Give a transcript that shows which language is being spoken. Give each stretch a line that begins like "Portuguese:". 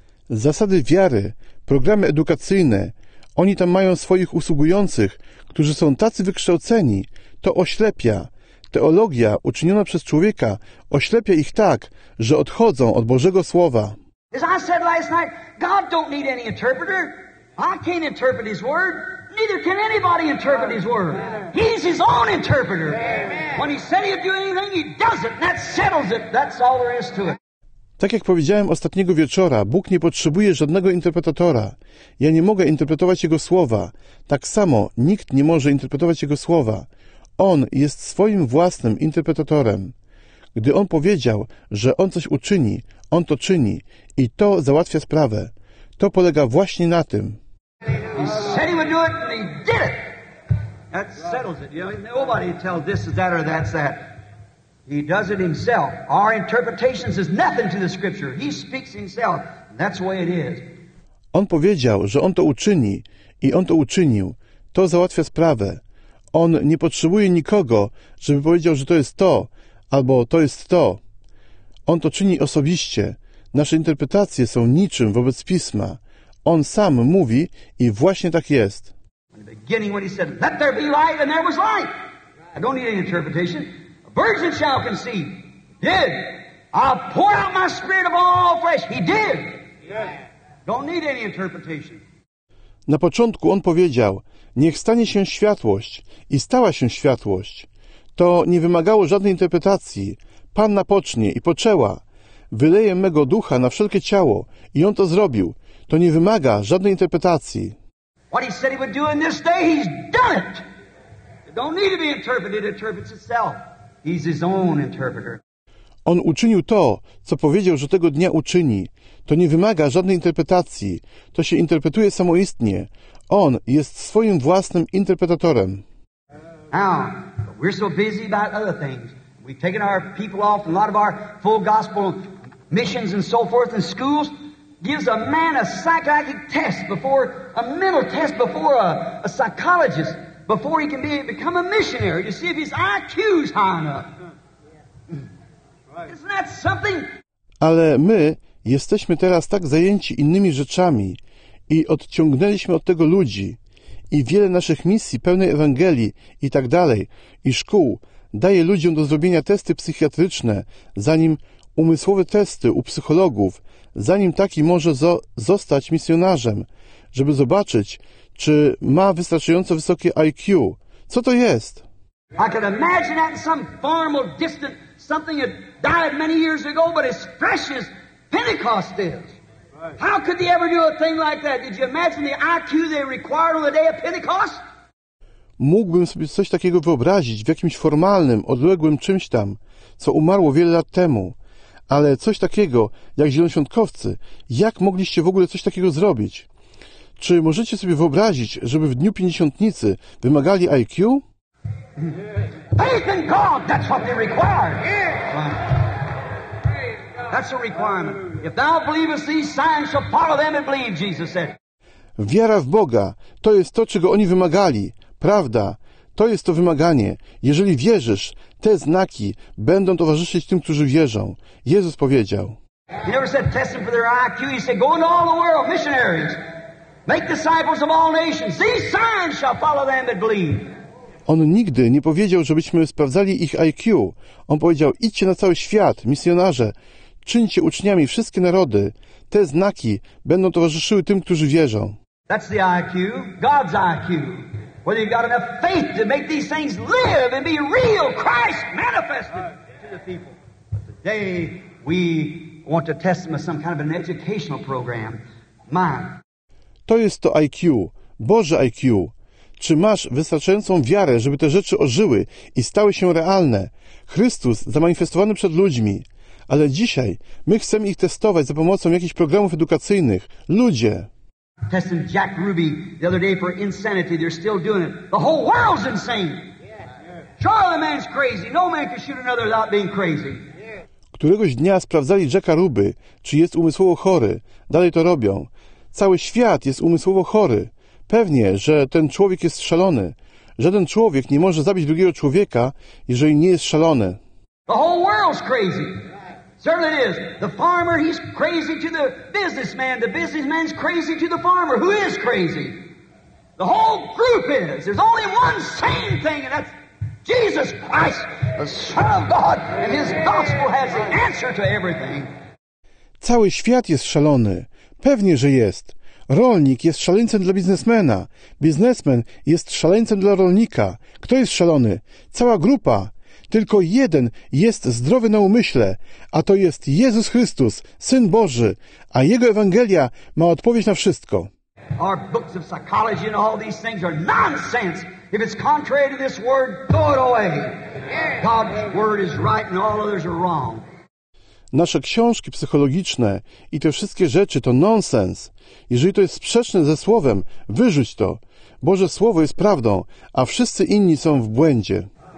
Polish: Zasady wiary, programy edukacyjne, oni tam mają swoich usługujących, którzy są tacy wykształceni, to oślepia. Teologia uczyniona przez człowieka oślepia ich tak, że odchodzą od Bożego Słowa.
English: As I said last night, God don't need any interpreter. I can't interpret His word. Neither can anybody interpret His word. He's His own interpreter. When He said He'd do anything, He does it. And that settles it. That's all there is to it.
Polish: Tak jak powiedziałem ostatniego wieczora, Bóg nie potrzebuje żadnego interpretatora. Ja nie mogę interpretować Jego słowa. Tak samo nikt nie może interpretować Jego słowa. On jest swoim własnym interpretatorem. Gdy On powiedział, że On coś uczyni, On to czyni i to załatwia sprawę. To polega właśnie na tym.
English: He said He would do it and He did it. That settles it. You know, nobody tells this is that or that's that. He does it himself. Our interpretations is nothing to the scripture. He speaks himself. That's the way it is.
Polish: On powiedział, że on to uczyni i on to uczynił. To załatwia sprawę. On nie potrzebuje nikogo, żeby powiedział, że to jest to albo to jest to. On to czyni osobiście. Nasze interpretacje są niczym wobec Pisma. On sam mówi i właśnie tak jest.
English: In the beginning when he said, let there be light, and there was light. I don't need any interpretation. Virgin shall conceive. Did. I'll pour out my spirit of all flesh. He did. Yes. Don't need any interpretation.
Polish: Na początku on powiedział, niech stanie się światłość i stała się światłość. To nie wymagało żadnej interpretacji. Pan napocznie i poczęła. Wyleję mego ducha na wszelkie ciało i on to zrobił. To nie wymaga żadnej interpretacji.
English: What he said he would do in this day, he's done it. It don't need to be interpreted. It interprets itself. He's his own interpreter.
Polish: On uczynił to, co powiedział, że tego dnia uczyni. To nie wymaga żadnej interpretacji. To się interpretuje samoistnie. On jest swoim własnym interpretatorem.
English: Now, we're so busy about other things. We've taken our people off a lot of our full gospel missions and so forth in schools. Gives a man a psychiatric test before, a mental test before a psychologist. Before he can become a missionary, to see if his IQ is high enough. Isn't that something?
Polish: Ale my jesteśmy teraz tak zajęci innymi rzeczami i odciągnęliśmy od tego ludzi i wiele naszych misji pełnej Ewangelii i tak dalej i szkół daje ludziom do zrobienia testy psychiatryczne, zanim umysłowe testy u psychologów, zanim taki może zostać misjonarzem, żeby zobaczyć, czy ma wystarczająco wysokie IQ. Co to jest?
English: I could imagine that in some far more distant something that died many years ago, but as fresh as Pentecost is. How could they ever do a thing like that? Did you imagine the IQ they required on the day of Pentecost?
Polish: Mógłbym sobie coś takiego wyobrazić w jakimś formalnym, odległym czymś tam, co umarło wiele lat temu. Ale coś takiego, jak zielonoświątkowcy, jak mogliście w ogóle coś takiego zrobić? Czy możecie sobie wyobrazić, żeby w dniu Pięćdziesiątnicy wymagali IQ?
English: Faith in God, that's what they require. That's a requirement. If thou believest these signs, shall follow them and believe, Jesus said.
Polish: Wiara w Boga, to jest to, czego oni wymagali. Prawda, to jest to wymaganie. Jeżeli wierzysz, te znaki będą towarzyszyć tym, którzy wierzą. Jezus powiedział.
English: He never said test them for their IQ. He said go into all the world, missionaries. Make disciples of all nations. These signs shall follow them that believe.
Polish: On nigdy nie powiedział, żebyśmy sprawdzali ich IQ. On powiedział, idźcie na cały świat, misjonarze. Czyńcie uczniami wszystkie narody. Te znaki będą towarzyszyły tym, którzy wierzą.
English: That's the IQ, God's IQ. Whether you've got enough faith to make these things live and be real, Christ manifested to the people. But today we want to test them with some kind of an educational program. Mine.
Polish: To jest to IQ, Boże IQ. Czy masz wystarczającą wiarę, żeby te rzeczy ożyły i stały się realne? Chrystus zamanifestowany przed ludźmi. Ale dzisiaj my chcemy ich testować za pomocą jakichś programów edukacyjnych. Ludzie!
English: Testing Jack Ruby the other day for insanity. They're still doing it. The whole world's insane. Charlemagne's crazy. No man can shoot another without being crazy.
Polish: Któregoś dnia sprawdzali Jacka Ruby, czy jest umysłowo chory. Dalej to robią. Cały świat jest umysłowo chory. Pewnie, że ten człowiek jest szalony. Żaden człowiek nie może zabić drugiego człowieka, jeżeli nie jest szalony.
English: The whole world's crazy. Certainly it is. The farmer, he's crazy to the businessman. The businessman's crazy to the farmer. Who is crazy? The whole group is. There's only one sane thing, and that's Jesus Christ, the Son of God, and His gospel has the answer to everything.
Polish: Cały świat jest szalony. Pewnie, że jest. Rolnik jest szaleńcem dla biznesmena. Biznesmen jest szaleńcem dla rolnika. Kto jest szalony? Cała grupa. Tylko jeden jest zdrowy na umyśle, a to jest Jezus Chrystus, Syn Boży, a Jego Ewangelia ma odpowiedź na wszystko.
English: Our books of psychology and all these things are nonsense. If it's contrary to this word, throw it away. God's word is right and all others are wrong.
Polish: Nasze książki psychologiczne i te wszystkie rzeczy to nonsens. Jeżeli to jest sprzeczne ze Słowem, wyrzuć to. Boże Słowo jest prawdą, a wszyscy inni są w błędzie.